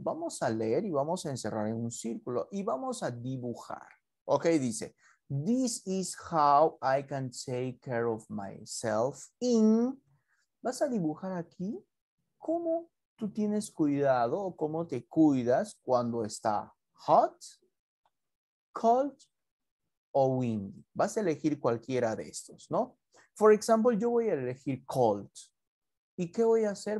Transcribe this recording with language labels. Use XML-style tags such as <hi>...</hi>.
<es>Vamos a leer y vamos a encerrar en un círculo y vamos a dibujar.</es> <en>Ok, dice, this is how I can take care of myself in...</en> <es>Vas a dibujar aquí cómo tú tienes cuidado o cómo te cuidas cuando está hot, cold o windy. Vas a elegir cualquiera de estos, ¿no?</es> <en>For example,</en> <es>yo voy a elegir cold. ¿Y qué voy a hacer?</es>